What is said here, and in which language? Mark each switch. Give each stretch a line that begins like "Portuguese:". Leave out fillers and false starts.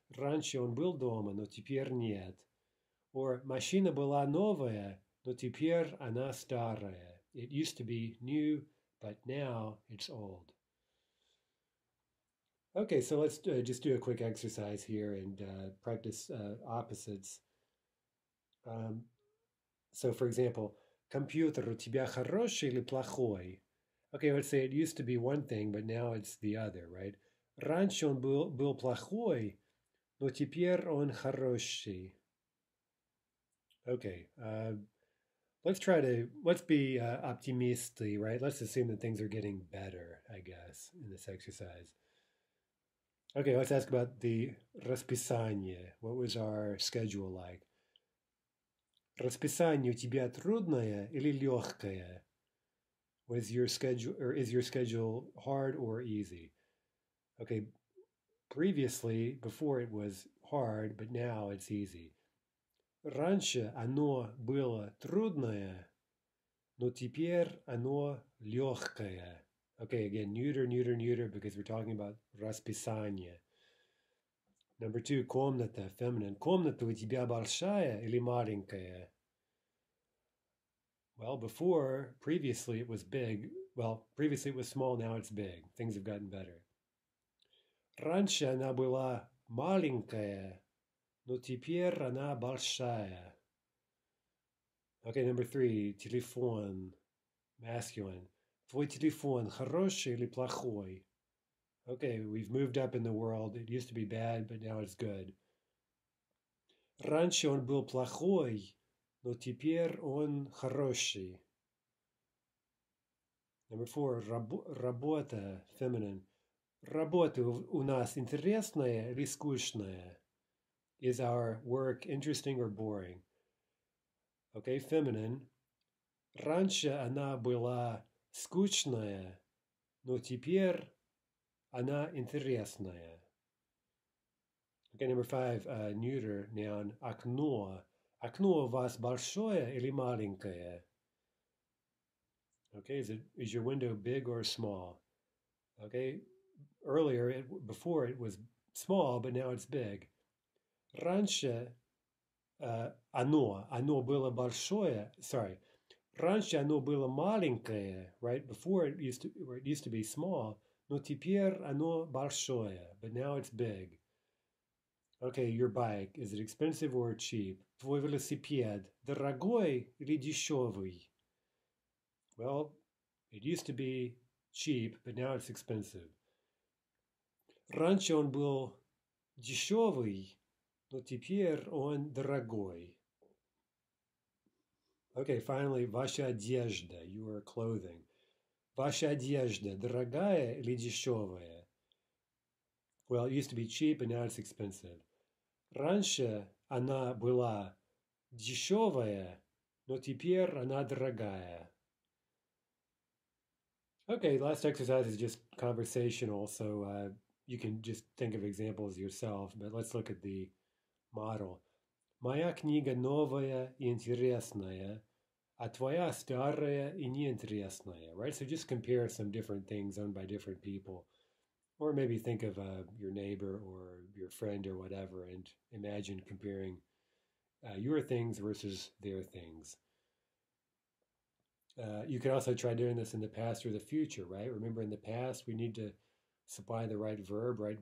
Russian: Раньше он был дома, но теперь нет.
English: Or,
Russian: машина была новая, но теперь она старая.
English: It used to be new, but now it's old. Okay, so let's just do a quick exercise here and practice opposites. So, for example,
Russian: компьютер у тебя хороший или плохой?
English: Okay, let's say it used to be one thing, but now it's the other, right?
Russian: Раньше он был плохой, но теперь он хороший.
English: Okay, let's be optimistic, right? Let's assume that things are getting better, I guess, in this exercise. Okay, let's ask about the расписание. What was our schedule like?
Russian: Расписание у тебя трудное или легкое?
English: Was your schedule or is your schedule hard or easy? Okay, previously, before it was hard, but now it's easy.
Russian: Раньше оно было трудное, но теперь оно легкое.
English: Okay, again, neuter, neuter, neuter, because we're talking about расписание. Number two, комната, feminine.
Russian: Комната у тебя большая или маленькая?
English: Well, before, previously it was big. Well, previously it was small, now it's big. Things have gotten better.
Russian: Раньше она была маленькая, но теперь она большая.
English: Okay, number three, телефон, masculine.
Russian: Твой телефон хороший или плохой?
English: Okay, we've moved up in the world. It used to be bad, but now it's good.
Russian: Раньше он был плохой, но теперь он хороший.
English: Number four, работа, feminine.
Russian: Работа у нас интересная или скучная?
English: Is our work interesting or boring? Okay, feminine.
Russian: Раньше она была скучная, но теперь Она интересная.
English: Okay, number five, neuter noun, окно.
Russian: Окно у вас большое или маленькое?
English: Okay, is your window big or small? Okay, earlier, before it was small, but now it's big.
Russian: Раньше оно было большое,
English: sorry.
Russian: Раньше оно было маленькое,
English: right? Before it used to be small.
Russian: Но теперь оно большое,
English: but now it's big. Okay, your bike, is it expensive or cheap?
Russian: Твой велосипед, дорогой или дешевый?
English: Well, it used to be cheap, but now it's expensive.
Russian: Раньше он был дешевый, но теперь он дорогой.
English: Okay, finally,
Russian: ваша одежда,
English: your clothing.
Russian: Ваша одежда, дорогая или дешевая?
English: Well, it used to be cheap, and now it's expensive.
Russian: Раньше она была дешевая, но теперь она дорогая.
English: Okay, last exercise is just conversational, so you can just think of examples yourself, but let's look at the model.
Russian: Моя книга новая и интересная, а твоя старая и неинтересная.
English: Right, so just compare some different things owned by different people. Or maybe think of your neighbor or your friend or whatever and imagine comparing your things versus their things. You could also try doing this in the past or the future, right? Remember in the past, we need to supply the right verb, right?